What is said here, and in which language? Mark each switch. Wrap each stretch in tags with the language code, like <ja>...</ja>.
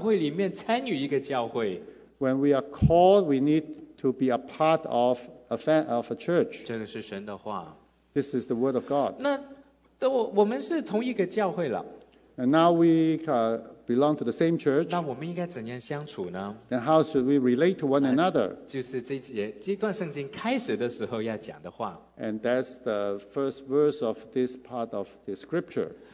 <zh>我们蒙召是要去一个教会里面参与一个教会。</zh> <en>When we are called, we need to be a part of a church.</en> <zh>这个是神的话。</zh> <en>This is the word of God.</en> <zh>那我们是同一个教会了。</zh> <en>And now we belong to the same church.</en> <zh>那我们应该怎样相处呢?</zh> <en>Then how should we relate to one another?</en> <zh>就是这段圣经开始的时候要讲的话。</zh> <en>And that's the first verse of this part of the scripture.</en>